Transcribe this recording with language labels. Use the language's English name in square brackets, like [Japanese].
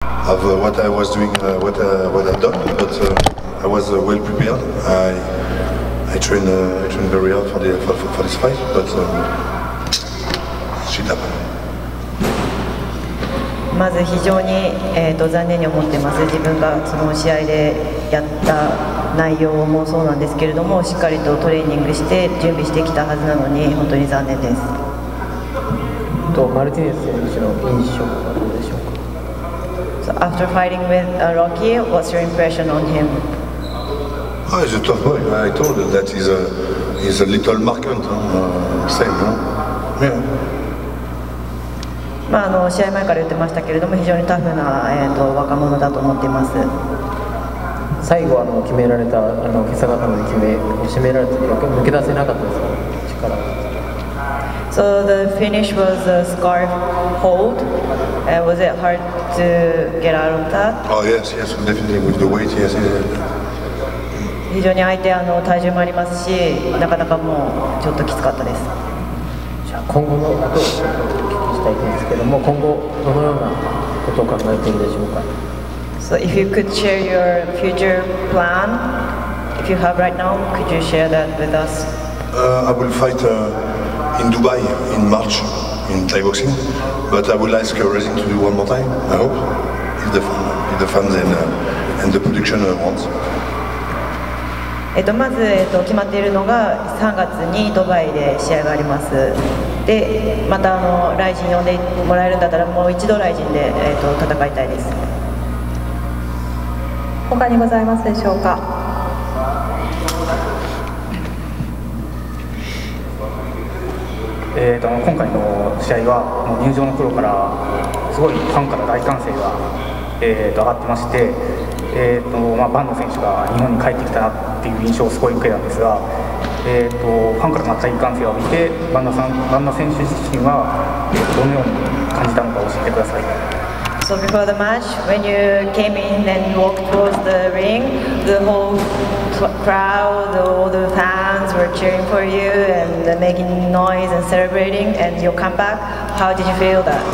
[English] of what I was doing, what I've done, but I was well prepared. I trained very hard for this fight, but shit happened. [Japanese] まず非常に、残念に思ってます。自分がその試合でやった内容もそうなんですけれども、しっかりとトレーニングして準備してきたはずなのに本当に残念です。とマルティネス選手の印象はどうでしょうか。 [English] So after fighting with Rocky, what's your impression on him? Oh, he's a tough boy. I told you that he's a little marquant, same, huh? Yeah. [Japanese] まあ、試合前から言ってましたけれども非常にタフな、若者だと思っています。最後決められた今朝方の決め締められた時は抜け出せなかったですか力。 [English] So the finish was a scarf hold、was it hard to get out of that? Oh yes, yes, definitely with the weight, yes, yes, yes. [Japanese] 非常に相手体重もありますしなかなかもうちょっときつかったです。じゃあ今後のことをですけども今後どのようなことを考えているでしょうか。 [English] So if you could share your future plan if you have right now could you share that with us? I will fight in Dubai in March in Thai boxing but I will ask Rising to do one more time I hope if the fans and the production wants. [Japanese] まず決まっているのが3月にドバイで試合があります。でまたライジン呼んでもらえるんだったらもう一度ライジンで、戦いたいです。他にございますでしょうか。今回の試合はもう入場の頃からすごいファンから大歓声が、上がってまして、まあ、バンド選手が日本に帰ってきたなっていう印象をすごい受けたんですがファンからの大歓声を見て、バンダ選手自身はどのように感じたのか教えてください。 [English] So before the match, when you came in and walked towards the ring, the whole crowd, all the fans were cheering for you and making noise and celebrating. And your comeback, how did you feel that?